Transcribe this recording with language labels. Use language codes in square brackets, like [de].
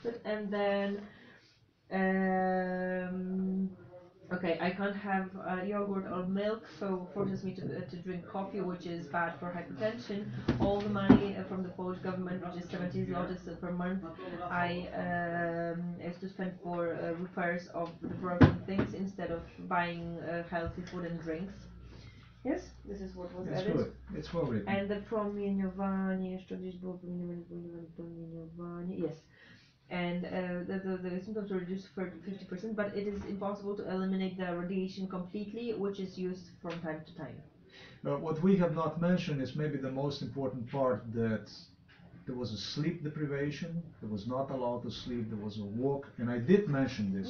[en] And then, okay, I can't have yogurt or milk, so forces me to drink coffee, which is bad for hypertension. All the money from the Polish government, which is 70 zlotys per month, I have to spend for repairs of the broken things instead of buying healthy food and drinks. Yes, this is what was added. It's well written. And the [pl] promieniowanie, jeszcze gdzieś było promieniowanie, promieniowanie, yes. [en] And the symptoms are reduced for 50%, but it is impossible to eliminate the radiation completely, which is used from time to time. What we have not mentioned is maybe the most important part, that there was a sleep deprivation, there was not allowed to sleep, there was a walk, and I did mention this.